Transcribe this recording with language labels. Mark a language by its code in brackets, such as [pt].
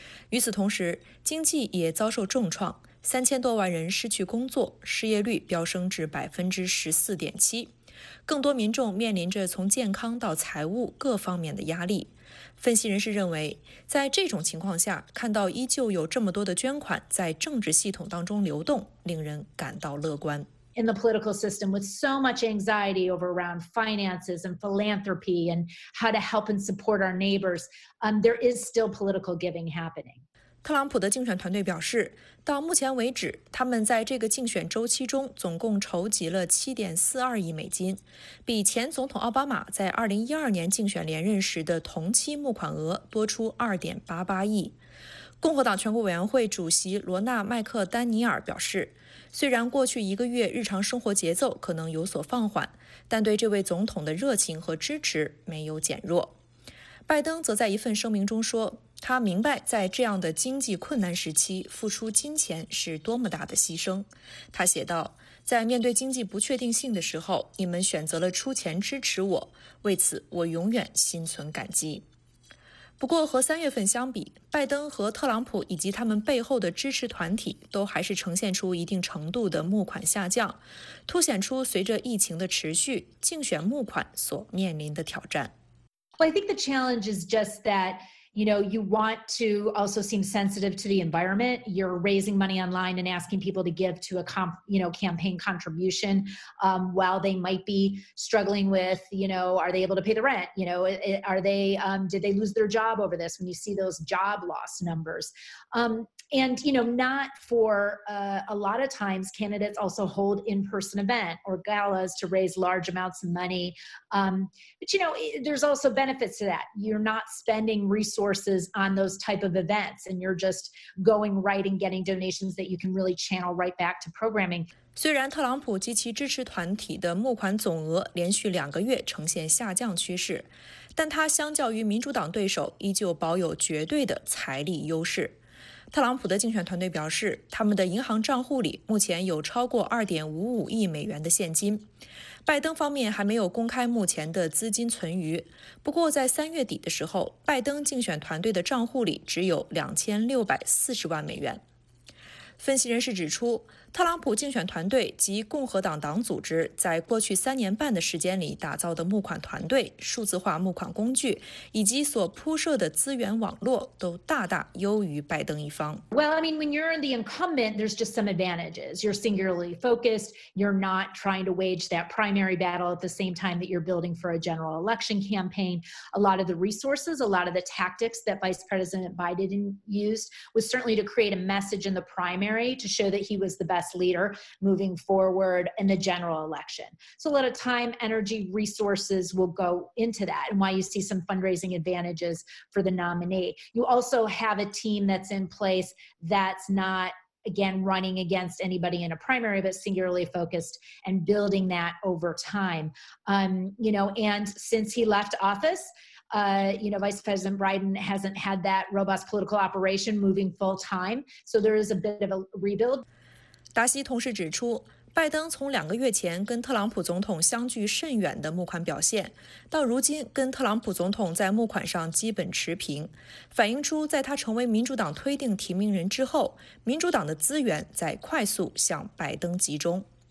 [zh] 与此同时，经济也遭受重创，3000多万人失去工作，失业率飙升至14.7%，更多民众面临着从健康到财务各方面的压力。分析人士认为，在这种情况下，看到依旧有这么多的捐款在政治系统当中流动，令人感到乐观。 [en] In the political system, with so much anxiety over around finances and philanthropy and how to help and support our neighbors, there is still political giving happening. [zh] 特朗普的竞选团队表示，到目前为止，他们在这个竞选周期中总共筹集了7.42亿美金，比前总统奥巴马在2012年竞选连任时的同期募款额多出2.88亿。共和党全国委员会主席罗纳·麦克丹尼尔表示，虽然过去一个月日常生活节奏可能有所放缓，但对这位总统的热情和支持没有减弱。拜登则在一份声明中说，他明白在这样的经济困难时期付出金钱是多么大的牺牲。他写道，在面对经济不确定性的时候，你们选择了出钱支持我，为此我永远心存感激。不过和3月份相比，拜登和特朗普以及他们背后的支持团体都还是呈现出一定程度的募款下降，凸显出随着疫情的持续，竞选募款所面临的挑战。 [en] Well, I think the challenge is just that, you know, you want to also seem sensitive to the environment. You're raising money online and asking people to give to a campaign contribution, while they might be struggling with, you know, are they able to pay the rent? You know, are they, did they lose their job over this? When you see those job loss numbers. And, you know, not for a lot of times candidates also hold in-person event or galas to raise large amounts of money. But, you know, there's also benefits to that. You're not spending resources on those type of events and you're just going right and getting donations that you can really channel right back to programming. [zh] 虽然特朗普及其支持团体的募款总额连续两个月呈现下降趋势，但他相较于民主党对手依旧保有绝对的财力优势。特朗普的竞选团队表示，他们的银行账户里目前有超过2.55亿美元的现金。拜登方面还没有公开目前的资金存余，不过在3月底的时候，拜登竞选团队的账户里只有2640万美元。分析人士指出，特朗普竞选团队及共和党党组织在过去3年半的时间里打造的募款团队、数字化募款工具以及所铺设的资源网络都大大优于拜登一方。 [en] Well, I mean, when you're the incumbent, there's just some advantages. You're singularly focused. You're not trying to wage that primary battle at the same time that you're building for a general election campaign. A lot of the resources, a lot of the tactics that Vice President Biden used was certainly to create a message in the primary to show that he was the best leader moving forward in the general election. So a lot of time, energy, resources will go into that and why you see some fundraising advantages for the nominee. You also have a team that's in place that's not, again, running against anybody in a primary, but singularly focused and building that over time. You know, and since he left office, you know, Vice President Biden hasn't had that robust political operation moving full time. So there is a bit of a rebuild. [zh] 达西同时指出，拜登从两个月前跟特朗普总统相距甚远的募款表现，到如今跟特朗普总统在募款上基本持平，反映出在他成为民主党推定提名人之后，民主党的资源在快速向拜登集中。